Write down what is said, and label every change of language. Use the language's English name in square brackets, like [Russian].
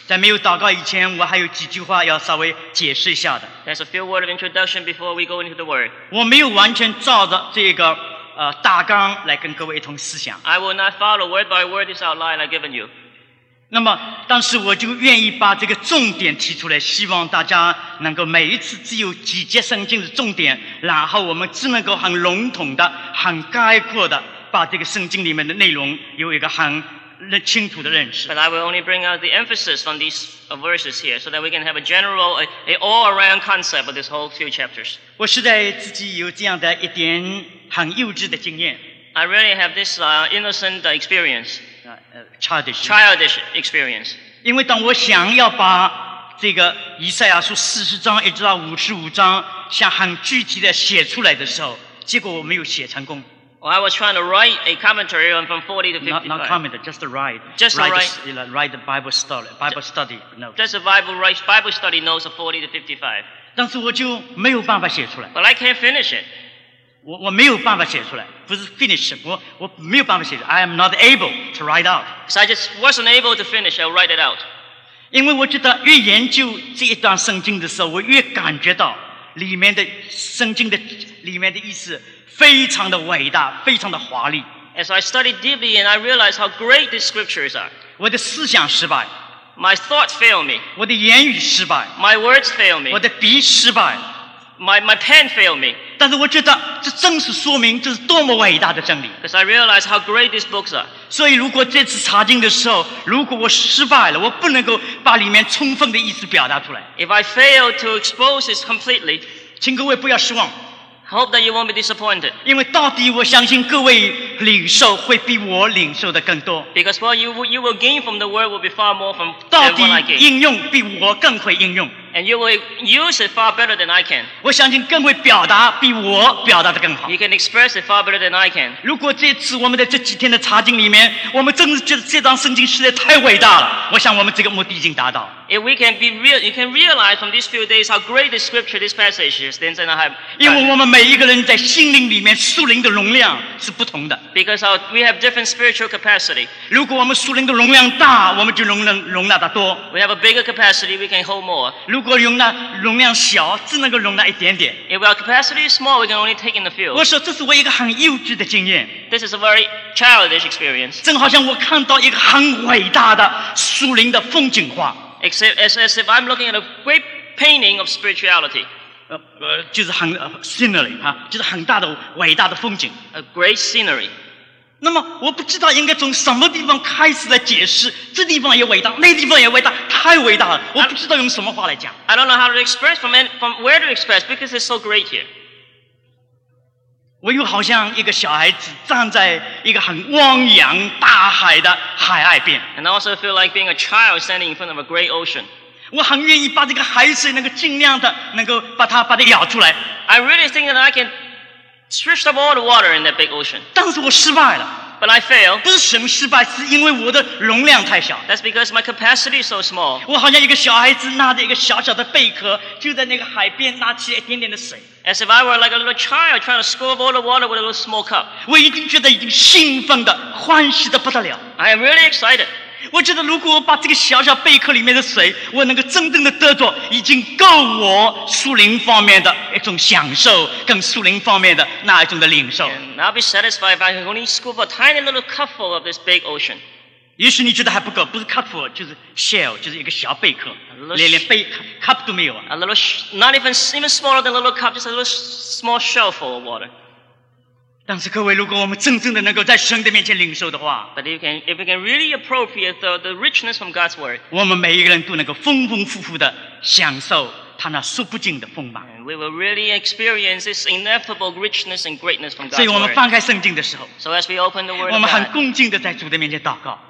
[Chinese] 在没有祷告以前，我还有几句话要稍微解释一下的。 [English] There's a few words of introduction before we go into the word. [Chinese] 我没有完全照着这个大纲来跟各位一同思想。 [English] I will not follow word by word this outline I've given you. [Chinese] 那么，但是我就愿意把这个重点提出来，希望大家能够每一次只有几节圣经的重点，然后我们只能够很笼统的、很概括的把这个圣经里面的内容有一个很清楚的认识。 [English] But I will only bring out the emphasis on these verses here, so that we can have a general, an all-around concept of these whole few chapters. [Chinese] 我实在自己有这样的一点。很幼稚的经验。 [English] I really have this innocent experience. Childish experience. [Chinese] 因为当我想要把这个以赛亚书四十章一直到五十五章想很具体的写出来的时候，结果我没有写成功。 [English] Well, I was trying to write a commentary on from 40 to 55. Not commentary, just to write. Just to write. Write the Bible story, Bible study notes. Just a Bible study notes of 40 to 55. [Chinese] 但是我就没有办法写出来。 [English] But I can't finish it. [Chinese] 我没有办法写出来，不是 finish， 我没有办法写出来。 [English] I am not able to write out. So I just wasn't able to finish. I'll write it out. [Chinese] 因为我觉得越研究这一段圣经的时候，我越感觉到里面的圣经的里面的意思非常的伟大，非常的华丽。 [English] As I studied deeply and I realized how great the scriptures are. [Chinese] 我的思想失败。 [English] My thoughts fail me. [Chinese] 我的言语失败。 [English] My words fail me. [Chinese] 我的笔失败。 [English] My pen failed me. [Chinese] 但是我觉得这正是说明这是多么伟大的真理。 [English] Because I realize how great these books are. [Chinese] 所以如果这次查经的时候，如果我失败了，我不能够把里面充分的意思表达出来。 [English] If I fail to expose it completely, [Chinese] 请各位不要失望。 [English] Hope that you won't be disappointed. [Chinese] 因为到底我相信各位领受会比我领受的更多。 [English] Because what you will gain from the word will be far more from than what I gain. [Chinese] 到底应用比我更会应用。 [English] And you will use it far better than I can. [Chinese] 我相信更会表达比我表达的更好。 [English] You can express it far better than I can. [Chinese] 如果这次我们在这几天的查经里面，我们真的觉得这张圣经实在太伟大了，我想我们这个目的已经达到。 [English] If we can be real, you can realize from these few days how great the scripture, this passage is. Then I have. [Chinese] 因为我们每一个人在心灵里面属灵的容量是不同的。 [English] Because we have different spiritual capacity. [Chinese] 如果我们属灵的容量大，我们就容纳的多。 [English] We have a bigger capacity, we can hold more. [Chinese] 如果容量小，只能够容纳一点点。 [English] If our capacity is small, we can only take in a few. [Chinese] 我说这是我一个很幼稚的经验。 [English] This is a very childish experience. [Chinese] 正好像我看到一个很伟大的属灵的风景画。 [English] Except as if I'm looking at a great painting of spirituality. [Chinese] 就是很scenery 哈，就是很大的伟大的风景。 [English] A great scenery. [Chinese] 那么我不知道应该从什么地方开始来解释，这地方也伟大，那地方也伟大，太伟大了，我不知道用什么话来讲。 [English] I don't know how to express from where to express because it's so great here. [Chinese] 我又好像一个小孩子站在一个很汪洋大海的海岸边。 [English] And I also feel like being a child standing in front of a great ocean. [Chinese] 我很愿意把这个海水能够尽量的能够把它舀出来。 [English] I really think that I can stretch up all the water in that big ocean. [Chinese] 但是我失败了。 [English] But I failed. [Chinese] 不是什么失败，是因为我的容量太小。 [English] That's because my capacity is so small. [Chinese] 我好像一个小孩子拿着一个小小的贝壳，就在那个海边拿起一点点的水。 [English] As if I were like a little child trying to scoop all the water with a little small cup. [Chinese] 我一定觉得已经兴奋的欢喜的不得了。 [English] I am really excited. [Chinese] 我觉得如果我把这个小小贝壳里面的水我能够真正的得着，已经够我属灵方面的一种享受跟属灵方面的那一种的领受。 [English] And I'll be satisfied if I can only scoop a tiny little cupful of this big ocean. [Chinese] 也许你觉得还不够，不是 cupful 就是 shell 就是一个小贝壳。连杯 cup 都没有。 [English] A little, not even smaller than a little cup, just a little small shell full of water. [Chinese] 但是各位，如果我们真正的能够在神的面前领受的话 [English] ，But if we can really appropriate the richness from God's word, [Chinese] 我们每一个人都能够丰丰富富的享受他那数不尽的丰满。 [English] We will really experience this ineffable richness and greatness from God's [Chinese] word. 所以我们翻开圣经的时候 [English] ，So as we open the word, [Chinese] 我们很恭敬的在主的面前祷告。